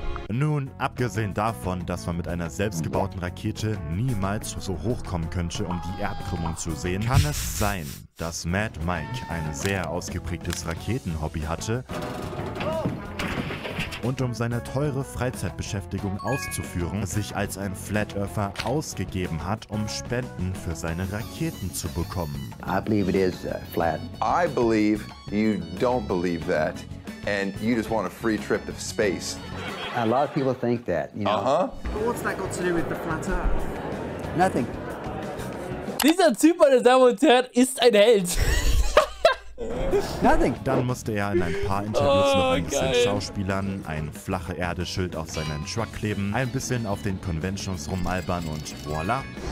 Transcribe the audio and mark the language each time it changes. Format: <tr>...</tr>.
<de>Nun, abgesehen davon, dass man mit einer selbstgebauten Rakete niemals so hoch kommen könnte, um die Erdkrümmung zu sehen, kann es sein, dass Mad Mike ein sehr ausgeprägtes Raketenhobby hatte und um seine teure Freizeitbeschäftigung auszuführen, sich als ein Flat Earther ausgegeben hat, um Spenden für seine Raketen zu bekommen.</de> <en>I believe it is flat. I believe you don't believe that and you just want a free trip to space. A lot of people think that, you know. Uh-huh. But what's that got to do with the flat earth? Nothing.</en> <de>Dieser Typ, meine Damen und Herren, ist ein Held.</de> <en>Nothing.</en> <de>Dann musste er in ein paar Interviews noch ein bisschen schauspielern, ein flache Erde-Schild auf seinen Truck kleben, ein bisschen auf den Conventions rumalbern und voila.</de>